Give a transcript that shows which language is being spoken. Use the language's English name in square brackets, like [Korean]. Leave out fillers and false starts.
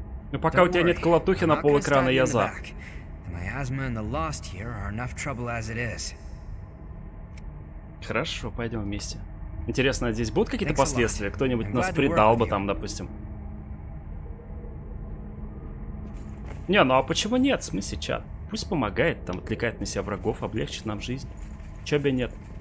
[Russian] Ну пока у тебя нет колотухи на полэкрана, я за. [English] The miasma and the lost here are enough trouble as it is. [Russian] Хорошо, пойдем вместе. Интересно, здесь будут какие-то последствия? Кто-нибудь нас предал бы там, допустим? Не, ну а почему нет? В смысле, чат? Пусть помогает, там, отвлекает на себя врагов, облегчит нам жизнь. Чё бы нет?